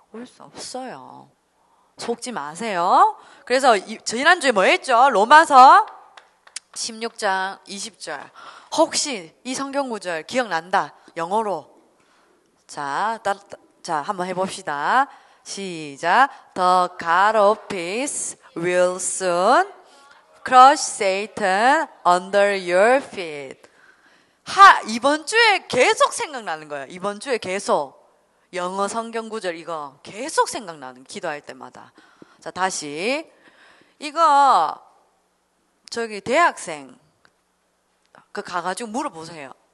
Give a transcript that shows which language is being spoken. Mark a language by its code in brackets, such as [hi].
[ko] 올 수 없어요. 속지 마세요. 그래서 지난주에 뭐 했죠? 로마서 16장 20절 혹시 이 성경 구절 기억난다. 영어로 자 한번 해봅시다. 시작. [en] The God of peace will soon crush Satan under your feet. [ko] 이번 주에 계속 생각나는 거예요. 이번 주에 계속 영어 성경 구절 이거 계속 생각나는 기도할 때마다. 자 다시 이거 저기 대학생 그 가가지고 물어보세요.